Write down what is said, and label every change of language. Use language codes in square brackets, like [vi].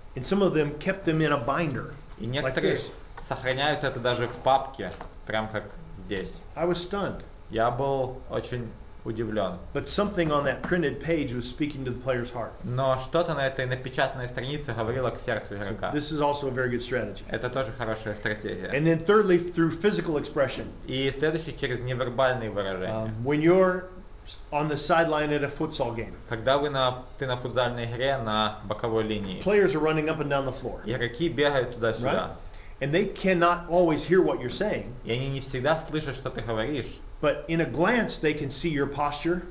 [en] And some of them kept them in a binder. [ru] И некоторые like сохраняют это даже в папке, прям как здесь. [en] I was stunned. [ru] Я был очень удивлен. [en] But something on that printed page was speaking to the player's heart. [ru] Но что-то на этой напечатанной странице говорило к сердцу игрока. [en] So this is also a very good strategy. [ru] Это тоже хорошая стратегия. [en] And then thirdly, through physical expression. [ru] И следующий через невербальные выражения. [en] When you're on the sideline at a futsal game. [ru] Когда вы на ты на футзальной игре на боковой линии. [en] Players are running up and down the floor. [ru] Игроки бегают туда-сюда. [en] Right? And they cannot always hear what you're saying. [ru] И они не всегда слышат, что ты говоришь. [en] But in a glance, they can see your posture.